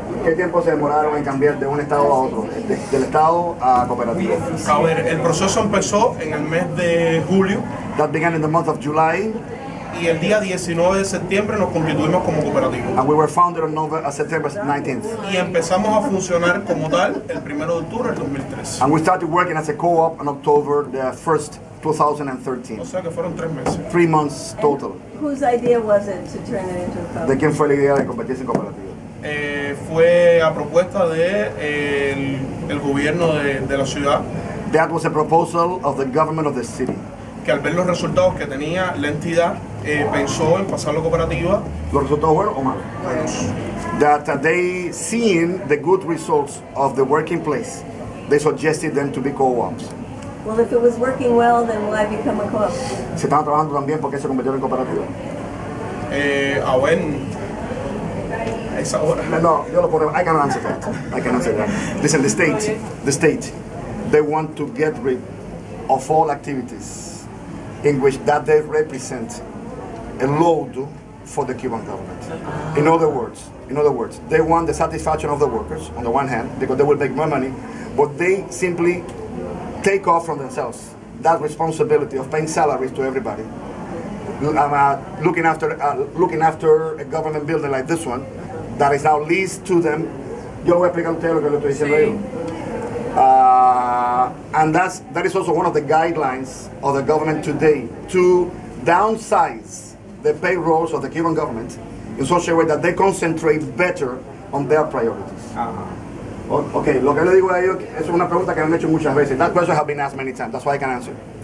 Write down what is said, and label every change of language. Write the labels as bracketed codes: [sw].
[es] ¿Qué tiempo se demoraron en cambiar de un estado a otro, del estado a cooperativa? A ver, el proceso empezó en el mes de julio. [en] That began in the month of July. [es] Y el día 19 de septiembre nos constituimos como cooperativa. [en] And we were founded on September 19th. [es] Y empezamos a funcionar como tal el 1 de octubre del 2013. [en] And we started working as a co-op on October the 1st, 2013. [es] O sea que fueron 3 meses. [en] 3 months total. And whose idea was it to turn it into a co-op? [es] ¿De quién fue la idea de convertirse en cooperativa? Fue a propuesta de el gobierno de la ciudad. [en] That was a proposal of the government of the city. [es] Que al ver los resultados que tenía la entidad, pensó en pasarlo a cooperativa. ¿Los resultados buenos o malos? Buenos. [en] That they seen the good results of the working place, they suggested them to be co-ops. Well, if it was working well, then why become a co-op? [es] Se estaban trabajando también porque se convirtieron en cooperativa. No, yo lo puedo. [en] I can answer that. Listen, the state, they want to get rid of all activities in which that they represent a load for the Cuban government. In other words, they want the satisfaction of the workers on the one hand, because they will make more money, but they simply take off from themselves that responsibility of paying salaries to everybody. Looking after a government building like this one, that is now leased to them. [es] Yo voy a explicar a ustedes lo que le estoy diciendo yo. [en] And that is also one of the guidelines of the government today to downsize the payrolls of the Cuban government in such a way that they concentrate better on their priorities. Uh-huh. [es] Okay, lo que le digo a ellos es una pregunta que me han hecho muchas veces. [en] That question has been asked many times. That's why I can answer.